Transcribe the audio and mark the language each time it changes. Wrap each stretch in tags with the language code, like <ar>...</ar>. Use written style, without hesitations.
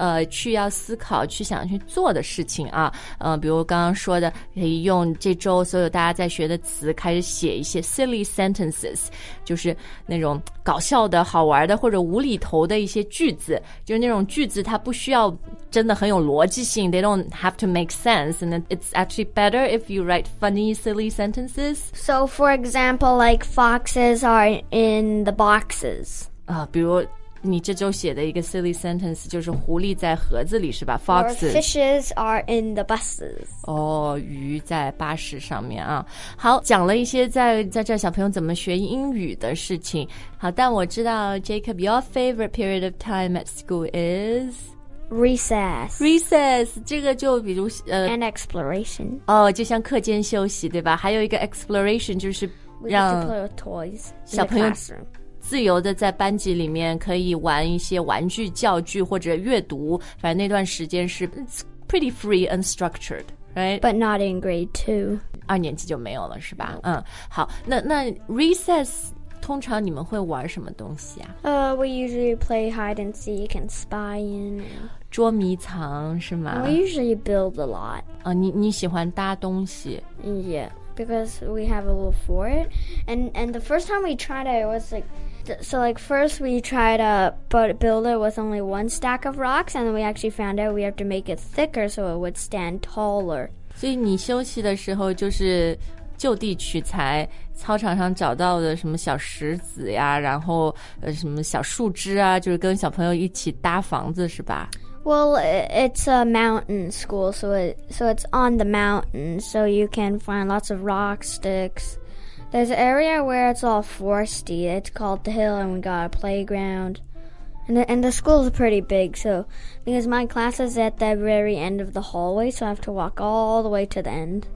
<zh>去要思考去想去做的事情啊，比如刚刚说的可以用这周所有大家在学的词开始写一些 silly sentences， 就是那种搞笑的好玩的或者无厘头的一些句子，就是那种句子它不需要真的很有逻辑性，</zh> <en>they don't have to make sense and it's actually better if you write funny silly sentences. So for example, like foxes are in the boxes.</en> <zh>比如你这周写的一个 silly sentence 就是狐狸在盒子里是吧 Foxes</zh> <en>Or fishes are in the buses</en> <zh>哦，鱼在巴士上面啊。好，讲了一些在这小朋友怎么学英语的事情。好，但我知道</zh> <en>Jacob your favorite period of time at school isRecess</en> <zh>这个就比如</zh> <en>And exploration</en> <zh>哦，就像课间休息对吧，还有一个 exploration 就是让</zh> <en>We need to play with toys in the</en> <zh>小朋友自由的在班级里面可以玩一些玩具教具或者阅读，反正那段时间是</zh> <en>pretty free and structured, right? But not in grade two.</en> <zh>二年级就没有了，是吧？嗯，好，那 recess 通常你们会玩什么东西啊？</zh> <en>We usually play hide and seek and spying.</en> <zh>捉迷藏是吗</zh> <en>？We usually build a lot.</en> <zh>啊，你喜欢搭东西</zh> <en>？Yeah, because we have a little fort, and the first time we tried it, it was like. So, like, first we tried to build it with only one stack of rocks, and then we actually found out we have to make it thicker so it would stand taller.</en> <zh>所以你休息的时候就是就地取材，操场上找到的什么小石子呀，然后什么小树枝啊，就是跟小朋友一起搭房子，是吧？</zh> <en>Well, it's a mountain school, so it's on the mountain, so you can find lots of rock sticks. There's an area where it's all foresty. It's called the hill, and we got a playground. And the school's pretty big, so... Because my class is at the very end of the hallway, so I have to walk all the way to the end.</en>